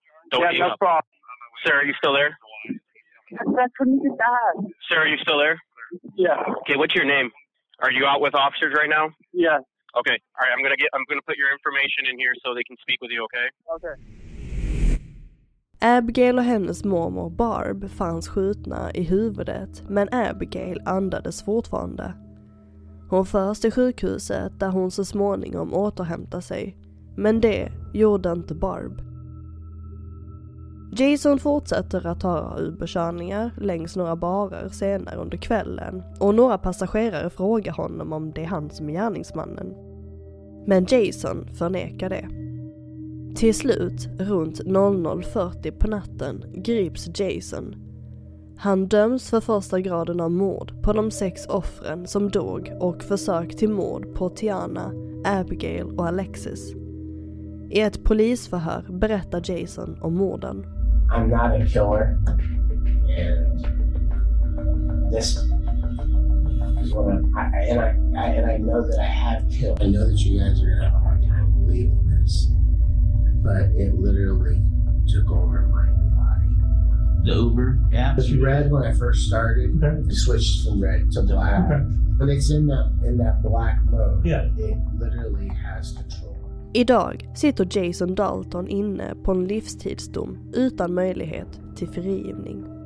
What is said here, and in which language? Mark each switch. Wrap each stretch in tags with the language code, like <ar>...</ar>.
<en>Don't hang up. Yeah, no problem. Sir, are you still there? That's what you just asked. Sir, are you still there? Yeah. Okay, what's your name? Are you out with officers right now? Yes. Okay. All right, I'm going to put your information in here so they can speak with you, okay? Okay.</en> <sv>Abigail och hennes mormor Barb fanns skjutna i huvudet, men Abigail andades fortfarande. Hon förs till sjukhuset där hon så småningom återhämtar sig, men det gjorde inte Barb. Jason fortsätter att ta Uber-körningar längs några barer senare under kvällen och några passagerare frågar honom om det är han som är gärningsmannen. Men Jason förnekar det. Till slut, runt 00:40 på natten, grips Jason. Han döms för första graden av mord på de sex offren som dog och försök till mord på Tiana, Abigail och Alexis. I ett polisförhör berättar Jason om morden.</sv> <en>I'm not a killer, and this is what I know that I have killed. I know that you guys are gonna have a hard time believing this, but it literally took over my body. The Uber app? It's red when I first started. Okay. It switched from red to black. Okay. When it's in that black mode, it literally has control.</en> <sv>Idag sitter Jason Dalton inne på en livstidsdom utan möjlighet till frigivning.</sv>